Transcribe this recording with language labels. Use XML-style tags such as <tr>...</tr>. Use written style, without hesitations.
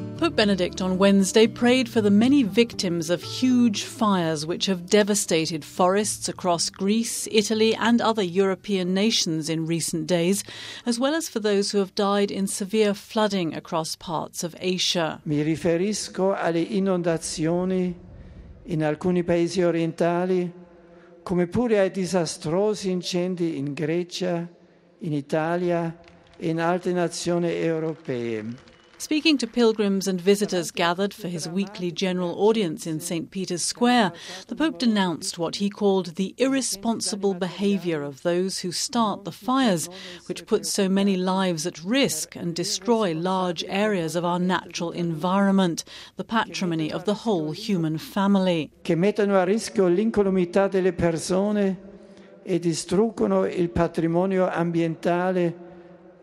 <en>Benedict on Wednesday prayed for the many victims of huge fires which have devastated forests across Greece, Italy and other European nations in recent days, as well as for those who have died in severe flooding across parts of Asia.</en> <it>Mi riferisco alle inondazioni in alcuni paesi orientali, come pure ai disastrosi incendi in Grecia, in Italia e in altre nazioni europee.</it> <en>Speaking to pilgrims and visitors gathered for his weekly general audience in St. Peter's Square, the Pope denounced what he called the irresponsible behaviour of those who start the fires, which put so many lives at risk and destroy large areas of our natural environment, the patrimony of the whole human family.</en> <it>Che mettono a rischio l'incolumità delle persone e distruggono il patrimonio ambientale.</it>